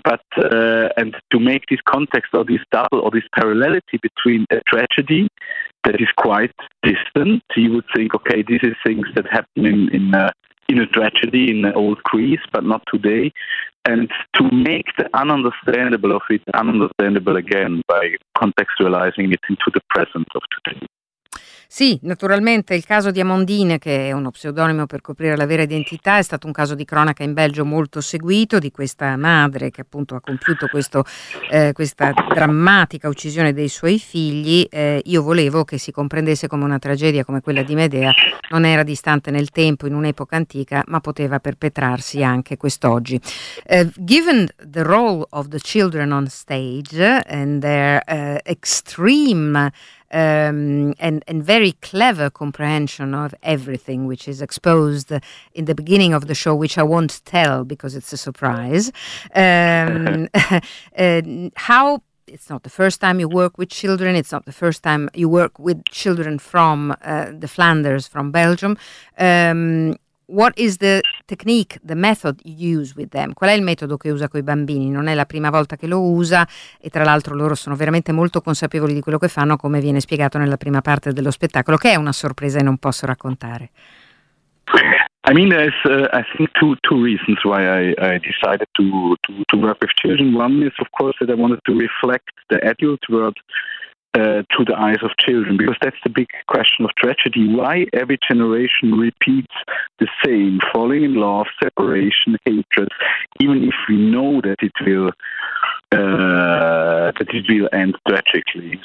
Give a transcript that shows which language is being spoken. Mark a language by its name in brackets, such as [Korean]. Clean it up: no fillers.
[English] And to make this context or this double or this parallelity between a tragedy that is quite distant, you would think, okay, this is things that happen in a tragedy in old Greece, but not today. And to make the ununderstandable of it ununderstandable again by contextualizing it into the present of today. [Italian] Sì, naturalmente il caso di Amandine, che è uno pseudonimo per coprire la vera identità, è stato un caso di cronaca in Belgio molto seguito, di questa madre che appunto ha compiuto questa drammatica uccisione dei suoi figli. Io volevo che si comprendesse come una tragedia come quella di Medea non era distante nel tempo, in un'epoca antica, ma poteva perpetrarsi anche quest'oggi. [English] Given the role of the children on stage and their extreme and very clever comprehension of everything which is exposed in the beginning of the show, which I won't tell because it's a surprise. How, it's not the first time you work with children, it's not the first time you work with children from the Flanders, from Belgium. What is the technique, the method you use with them? [Italian] Qual è il metodo che usa con i bambini? Non è la prima volta che lo usa, e tra l'altro loro sono veramente molto consapevoli di quello che fanno, come viene spiegato nella prima parte dello spettacolo, che è una sorpresa e non posso raccontare. [English] I mean, there's, I think, two reasons why I decided to work with children. One is, of course, that I wanted to reflect the adult world through the eyes of children, because that's the big question of tragedy. Why every generation repeats the same, falling in love, separation, hatred, even if we know that it will end tragically.